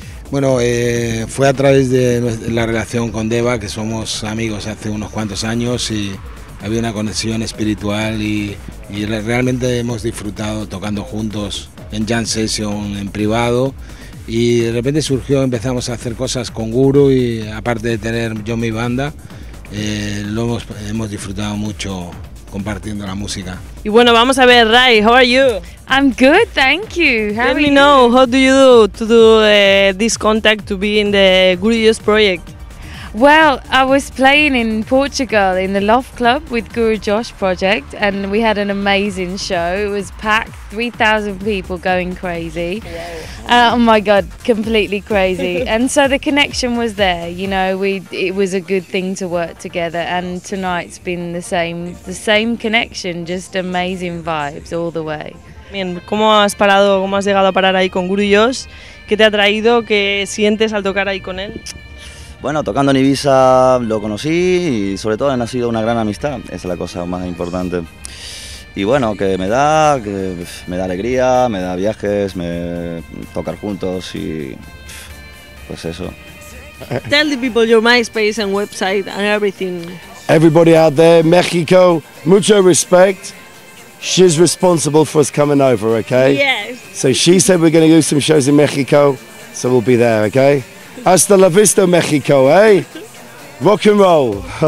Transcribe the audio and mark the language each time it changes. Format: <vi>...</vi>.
<es>Bueno, fue a través de la relación con Deva, que somos amigos hace unos cuantos años y había una conexión espiritual y realmente hemos disfrutado tocando juntos en jam session, en privado. Y de repente surgió, empezamos a hacer cosas con Guru y aparte de tener yo mi banda, hemos disfrutado mucho compartiendo la música. Y bueno, vamos a ver, Rai,</es> <en>how are you? I'm good, thank you. Let me know, how do you do to do this contact to be in the Gurillos Project? Well, I was playing in Portugal in the Loft Club with Guru Josh Project and we had an amazing show. It was packed, 3,000 people going crazy. Oh my God, completely crazy. And so the connection was there, you know, it was a good thing to work together. And tonight's been the same connection, just amazing vibes all the way.</en> <es>Bien, ¿cómo has parado, cómo has llegado a parar ahí con Guru Josh? ¿Qué te ha traído? ¿Qué sientes al tocar ahí con él? Bueno, tocando en Ibiza lo conocí y sobre todo ha nacido una gran amistad, esa es la cosa más importante. Y bueno, que me da alegría, me da viajes, me tocar juntos y pues eso.</es> <en>Tell the people your MySpace and website and everything. Everybody out there, Mexico, mucho respect. She's responsible for us coming over, okay? Yes. So she said we're going to do some shows in Mexico, so we'll be there, okay?</en> <es>Hasta la vista, México, eh? Rock and roll.</es>